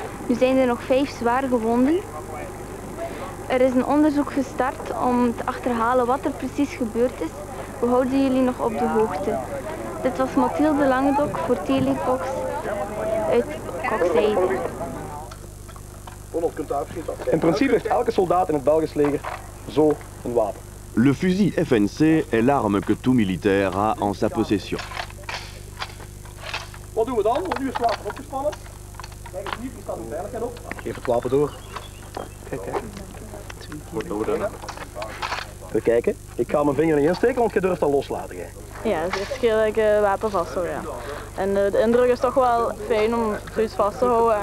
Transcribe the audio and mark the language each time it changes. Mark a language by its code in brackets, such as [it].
[nl] Nu zijn er nog 5 zwaar gewonden. Er is een onderzoek gestart om te achterhalen wat er precies gebeurd is. We houden jullie nog op de hoogte. Dit was Mathilde Langedok voor Telefox uit Coxyde. In principe heeft elke soldaat in het Belgisch leger zo een wapen. [fr] Le fusil FNC est l'arme que tout militaire a en sa possession. [nl] Wat doen we dan? Nu is het wapen opgespannen. Kijk eens hier, die staat de veiligheid op. Geef het wapen door. Kijk, hè. Wat doen we dan? We kijken. Ik ga mijn vinger niet insteken, want je durft dat loslaten. Hè. Ja, het is de eerste keer dat ik wapen vast hoor. Ja. En de indruk is toch wel fijn om zoiets vast te houden.